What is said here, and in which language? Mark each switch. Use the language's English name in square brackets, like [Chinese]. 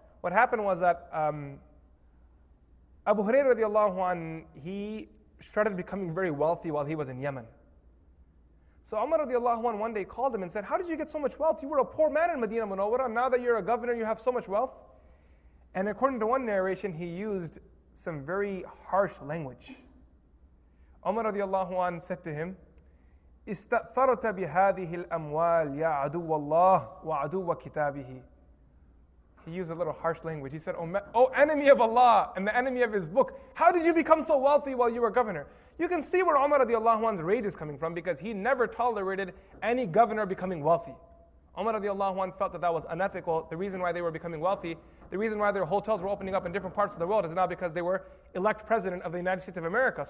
[English] What happened was that Abu Hurairah radiallahu anhu, he started becoming very wealthy while he was in Yemen. So Umar radiallahu anhu one day called him and said, how did you get so much wealth? You were a poor man in Medina Munawwara. Now that you're a governor, you have so much wealth. And according to one narration, he used some very harsh language. Umar radiallahu anhu said to him, [Arabic] استأثرت بهذه الأموال يا عدو الله وعدو كتابه. [English] He used a little harsh language. He said, oh enemy of Allah and the enemy of his book, how did you become so wealthy while you were governor? You can see where Umar radiallahu anhu's rage is coming from, because he never tolerated any governor becoming wealthy. Umar radiallahu anhu felt that that was unethical. The reason why they were becoming wealthy, the reason why their hotels were opening up in different parts of the world, is not because they were elect president of the United States of America.